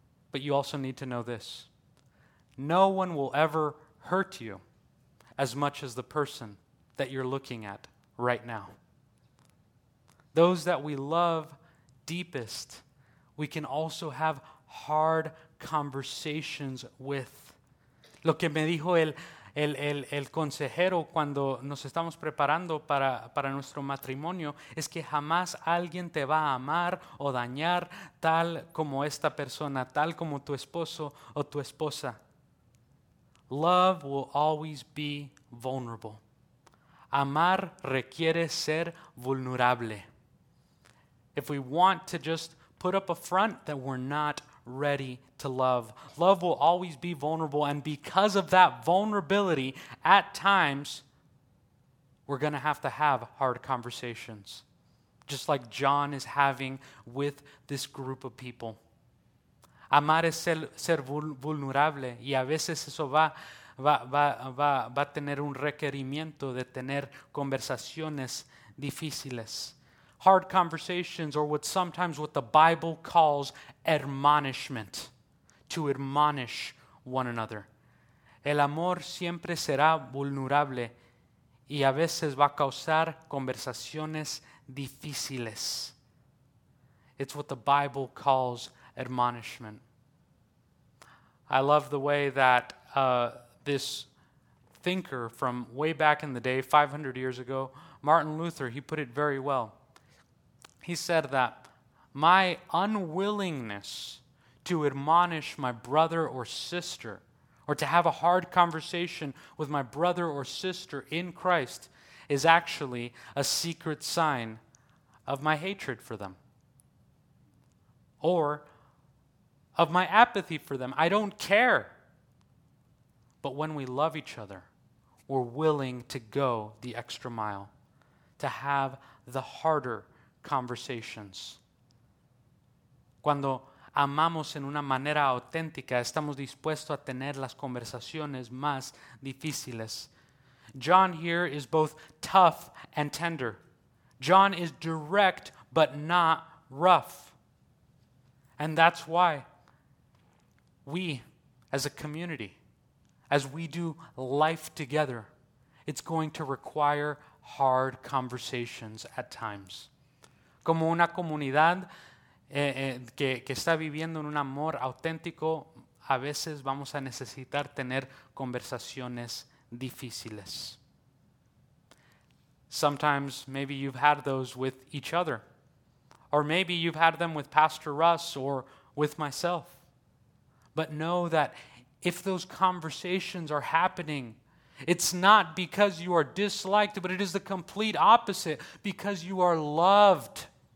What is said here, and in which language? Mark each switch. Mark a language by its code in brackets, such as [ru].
[en] But you also need to know this, no one will ever hurt you as much as the person that you're looking at right now. Those that we love deepest, we can also have hard conversations with. [es] Lo que me dijo el consejero cuando nos estamos preparando para nuestro matrimonio es que jamás alguien te va a amar o dañar tal como esta persona, tal como tu esposo o tu esposa. [en] Love will always be vulnerable. [es] Amar requiere ser vulnerable. [en] If we want to just put up a front, then we're not ready to love. Love will always be vulnerable, and because of that vulnerability, at times, we're going to have hard conversations, just like John is having with this group of people. [es] Amar es ser vulnerable, y a veces eso va a tener un requerimiento de tener conversaciones difíciles. [en] Hard conversations, or what the Bible calls admonishment, to admonish one another. [es] El amor siempre será vulnerable y a veces va a causar conversaciones difíciles. [en] It's what the Bible calls admonishment. I love the way that this thinker from way back in the day, 500 years ago, Martin Luther, he put it very well. He said that my unwillingness to admonish my brother or sister, or to have a hard conversation with my brother or sister in Christ, is actually a secret sign of my hatred for them, or of my apathy for them. I don't care. But when we love each other, we're willing to go the extra mile, to have the harder conversations. [es] Cuando amamos en una manera auténtica, estamos dispuestos a tener las conversaciones más difíciles. [en] John here is both tough and tender. John is direct but not rough. And that's why we, as a community, as we do life together, it's going to require hard conversations at times. [es] Como una comunidad que está viviendo en un amor auténtico, a veces vamos a necesitar tener conversaciones difíciles. [en] Sometimes maybe you've had those with each other, or maybe you've had them with Pastor Russ or with myself. But know that if those conversations are happening, it's not because you are disliked, but it is the complete opposite, because you are loved.